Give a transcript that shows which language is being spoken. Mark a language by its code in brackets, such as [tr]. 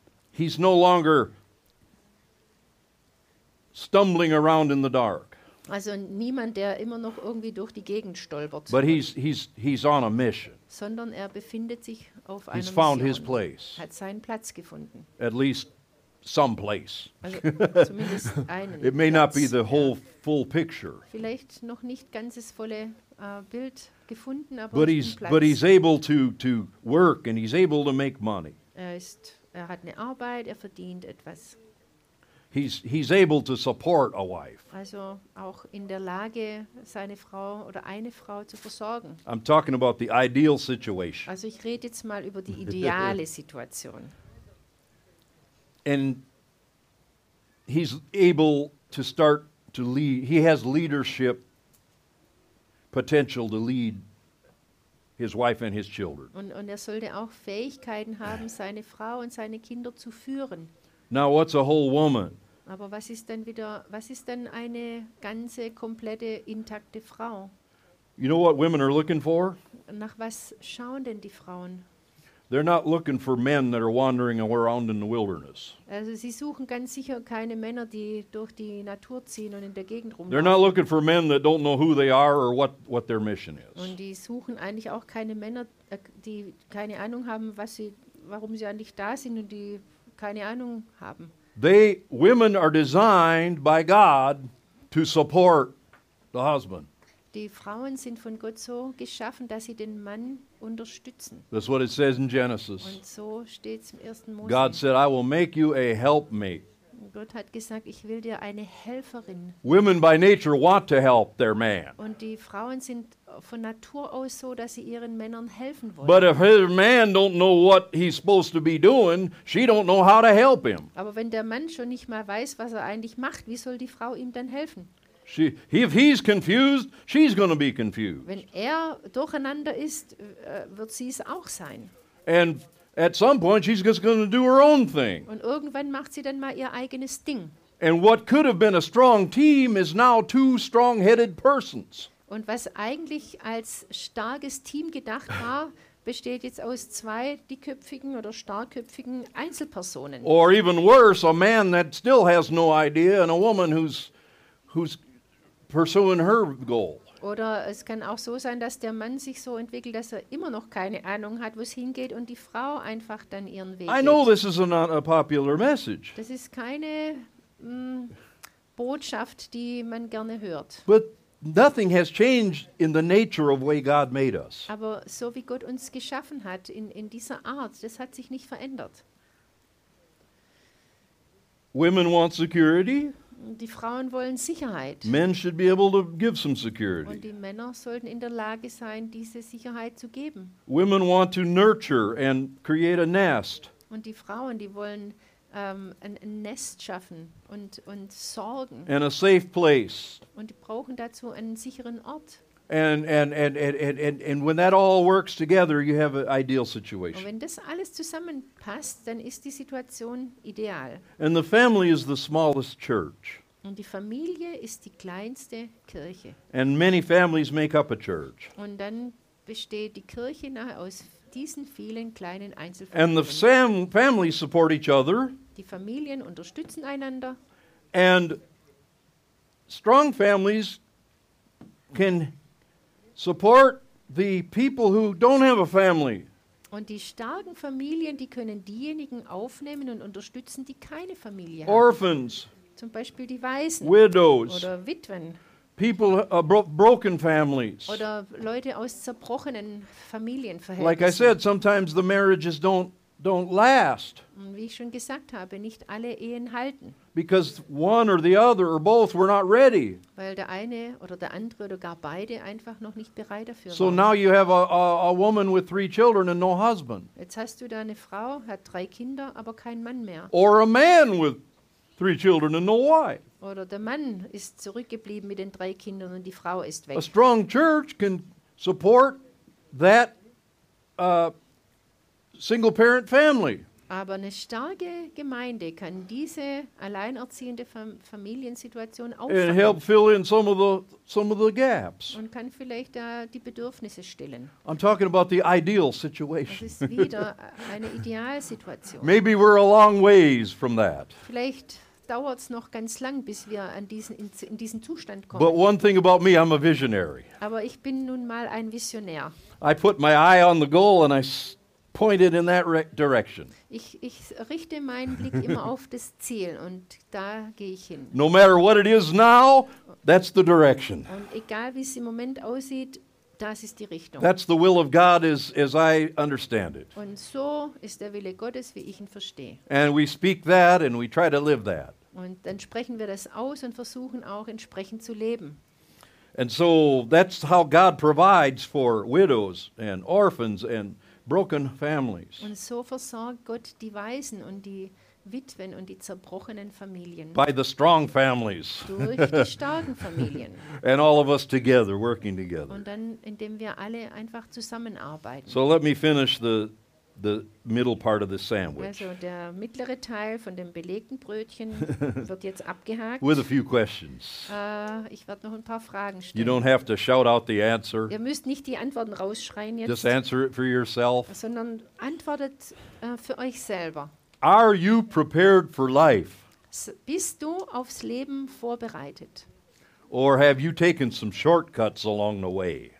[en] He's no longer stumbling around in the dark. [de] Also niemand, der immer noch irgendwie durch die Gegend stolpert. [en] But he's on a mission. [de] Sondern er befindet sich auf einer [en] Mission. He's found his place. [de] Hat seinen Platz gefunden. [en] At least some place. [de] Also zumindest einen. [en] It may not be the whole full picture. [de] Vielleicht noch nicht ganzes volle Bild gefunden, aber [en] But he's [de] Platz. [en] But he's able to work and he's able to make money. [de] Er hat eine Arbeit, er verdient etwas. [en] He's able to support a wife. [de] Also auch in der Lage, seine Frau oder eine Frau zu versorgen. [en] I'm talking about the ideal situation. [de] Also ich rede jetzt mal über die ideale Situation. [en] And he's able to start to lead. He has leadership potential to lead his wife and his children. [de] Und er sollte auch Fähigkeiten haben, seine Frau und seine Kinder zu führen. [en] Now what's a whole woman? [de] Aber was ist denn eine ganze, komplette, intakte Frau? [en] You know what women are looking for? [de] Nach was schauen denn die Frauen? [en] They're not looking for men that are wandering around in the wilderness. [de] Also sie suchen ganz sicher keine Männer, die durch die Natur ziehen und in der Gegend rumlaufen. [en] They're not looking for men that don't know who they are or what their mission is. [de] Und die suchen eigentlich auch keine Männer, die keine Ahnung haben, warum sie eigentlich da sind und die keine Ahnung haben. [en] Women are designed by God to support the husband. [de] Die Frauen sind von Gott so geschaffen, dass sie den Mann unterstützen. [en] That's what it says in Genesis. [de] Und so steht's im 1. Mose. [en] God said, "I will make you a helpmate." [de] Gott hat gesagt, ich will dir eine Helferin. [en] Women by nature want to help their man. [de] Und die Frauen sind von Natur aus so, dass sie ihren Männern helfen wollen. [en] But if her man don't know what he's supposed to be doing, she don't know how to help him. [de] Aber wenn der Mann schon nicht mal weiß, was er eigentlich macht, wie soll die Frau ihm dann helfen? [en] If he's confused, she's going to be confused. [de] Wenn er durcheinander ist, wird sie es auch sein. [en] And at some point, she's just going to do her own thing. [de] Und irgendwann macht sie dann mal ihr eigenes Ding. [en] And what could have been a strong team is now two strong-headed persons. [de] Und was eigentlich als starkes Team gedacht war, besteht jetzt aus zwei dickköpfigen oder starkköpfigen Einzelpersonen. [en] Or even worse, a man that still has no idea and a woman who's pursuing her goal. [de] Oder es kann auch so sein, dass der Mann sich so entwickelt, dass er immer noch keine Ahnung hat, wo es hingeht und die Frau einfach dann ihren Weg geht. [en] I know this is not a popular message. [de] Das ist keine Botschaft, die man gerne hört. [en] But nothing has changed in the nature of way God made us. [de] Aber so wie Gott uns geschaffen hat, in dieser Art, das hat sich nicht verändert. [en] Women want security. [de] Die Frauen wollen Sicherheit. [en] Men should be able to give some security. [de] Und die Männer sollten in der Lage sein, diese Sicherheit zu geben. [en] Women want to nurture and create a nest. [de] Und die Frauen, die wollen ein Nest schaffen und sorgen. [en] And a safe place. [de] Und die brauchen dazu einen sicheren Ort. [en] And when that all works together, you have an ideal situation. [de] Wenn das alles zusammenpasst, dann ist die Situation ideal. [en] And the family is the smallest church. [de] Und die Familie ist die kleinste Kirche. [en] And many families make up a church. [de] Und dann besteht die Kirche nachher aus diesen vielen kleinen Einzelfamilien. [en] And the families support each other. [de] Die Familien unterstützen einander. [en] And strong families can support the people who don't have a family. [de] Und die starken Familien, die können diejenigen aufnehmen und unterstützen, die keine Familie haben. [en] Orphans. [de] Zum Beispiel die Waisen. [en] Widows. [de] Oder Witwen. [en] People, broken families. [de] Oder Leute aus zerbrochenen Familienverhältnissen. [en] Like I said, sometimes the marriages don't last. [de] Und wie ich schon gesagt habe, nicht alle Ehen halten. [en] Because one or the other or both were not ready. [de] Weil der eine oder der andere oder gar beide einfach noch nicht bereit dafür waren. [en] So now you have a woman with three children and no husband. [de] Jetzt hast du da eine Frau, hat drei Kinder, aber keinen Mann mehr. [en] Or a man with three children and no wife. [de] Oder der Mann ist zurückgeblieben mit den drei Kindern und die Frau ist weg. [en] A strong church can support that single parent family. [de] Aber eine starke Gemeinde kann diese alleinerziehende Familiensituation auffangen. [en] And help fill in some of the gaps. [de] Und kann vielleicht da die Bedürfnisse stillen. [en] I'm talking about the ideal situation. [de] Das ist wieder eine Idealsituation. [en] Maybe we're a long ways from that. [de] Vielleicht dauert es noch ganz lang, bis wir in diesen Zustand kommen. [en] But one thing about me, I'm a visionary. [de] Aber ich bin nun mal ein Visionär. [en] I put my eye on the goal and I pointed in that direction. [de] Ich richte meinen Blick immer auf das Ziel und da gehe ich hin. [en] No matter what it is now, that's the direction. [de] Und egal wie es im Moment aussieht, das ist die Richtung. [en] That's the will of God as I understand it. [de] Und so ist der Wille Gottes, wie ich ihn verstehe. [en] And we speak that and we try to live that. [de] Und dann sprechen wir das aus und versuchen auch entsprechend zu leben. [en] And so that's how God provides for widows and orphans and broken families. [de] Und so versorgt Gott die Waisen und die Witwen und die zerbrochenen Familien. [en] By the strong families. [de] Durch die starken Familien. [en] And all of us together, working together. [de] Und dann, indem wir alle einfach zusammenarbeiten. [en] So let me finish the middle part of the sandwich. [de] Also der mittlere Teil von dem belegten Brötchen wird jetzt abgehakt. [en] With a few questions. [de] Ich werde noch ein paar Fragen stellen. [en] You don't have to shout out the answer. [de] Ihr müsst nicht die Antworten rausschreien jetzt. [en] Just answer it for yourself. [de] Sondern antwortet für euch selber. [en] Are you prepared for life? [de] Bist du aufs Leben vorbereitet? [en] Or have you taken some shortcuts along the way?